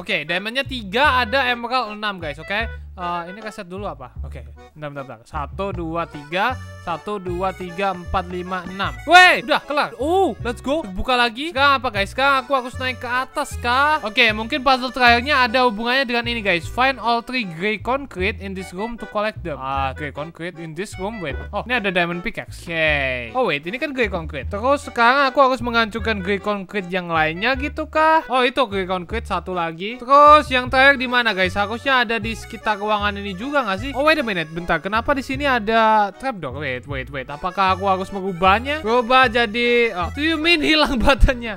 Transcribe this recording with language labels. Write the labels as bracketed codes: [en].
[id] Oke, diamondnya 3, ada emerald 6, guys. Oke. Ini reset dulu apa? Oke. Bentar. 1 2 3 1 2 3 4 5 6. Wey, udah kelar. [en] Let's go. [id] Buka lagi. Sekarang apa, guys? Sekarang aku harus naik ke atas kah? Oke, mungkin puzzle terakhirnya ada hubungannya dengan ini, guys. [en] Find all 3 gray concrete in this room to collect them. Gray concrete in this room. Wait. Oh, [id] ini ada [en] diamond pickaxe. [id] Oke. [en] Oh, wait, [id] ini kan gray concrete. Terus sekarang aku harus menghancurkan gray concrete yang lainnya gitu kah? Oh, itu gray concrete satu lagi. Terus yang terakhir di mana, guys? Harusnya ada di sekitar ruangan ini juga nggak sih? [en] Oh wait a minute, [id] bentar, kenapa di sini ada trapdoor? [en] Wait, [id] apakah aku harus mengubahnya? Coba jadi, oh, [en] do you mean [id] hilang batannya?